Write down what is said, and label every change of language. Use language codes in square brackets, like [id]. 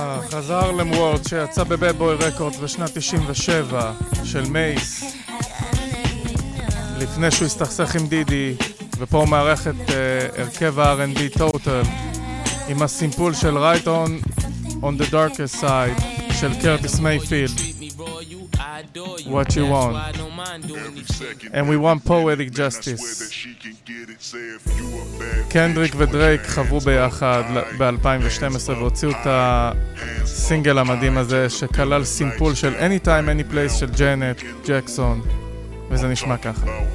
[he] חזר למוורד שיצא בבד בוי רקורד בשנת 97 של מייס לפני שהוא הסתכסך עם דידי, ופה הוא מערך את הרכב ה-R&B טוטל עם הסימפול של Right On On The Darkest Side של קרטיס מייפילד, What You Want. [en] And we want poetic justice. [he] קנדריק ודרייק חברו ביחד ב-2012 והוציאו את הסינגל המדהים הזה שכלל סימפול של Anytime Any Place של ג'נט ג'קסון, וזה נשמע ככה.